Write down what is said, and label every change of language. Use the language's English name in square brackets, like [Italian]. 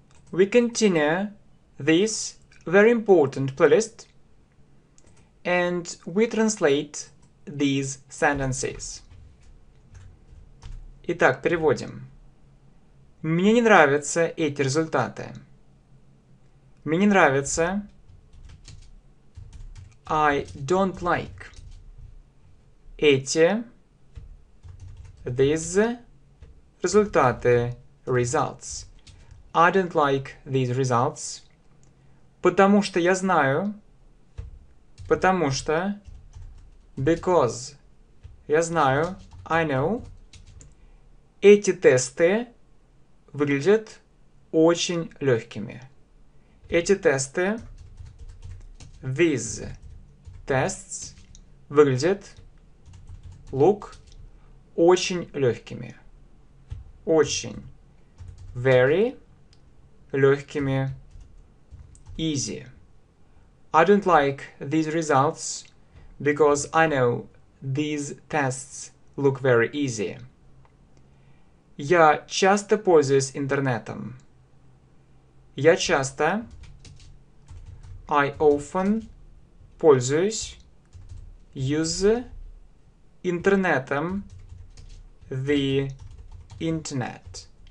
[English] We continue this very important playlist and we translate these sentences. [Russian] Итак, переводим. Мне не нравятся эти результаты. Мне не нравятся. [English] I don't like. [Russian] Эти. [English] These. [Russian] Результаты. [English] Results. I don't like these results. [Russian] Потому что я знаю. Потому что. [English] Because. [Russian] Я знаю. [English] I know. [Russian] Эти тесты выглядят очень легкими. Эти тесты. [English] These tests [Russian] выглядят. [English] Look. [Russian] Очень легкими. Очень. [English] Very, [Russian] легкими, [English] easy. I don't like these results, because I know these tests look very easy. [Russian] Я часто пользуюсь интернетом. Я часто, [English] I often, [Russian] пользуюсь, [English] use, [Russian] интернетом, [English] the internet.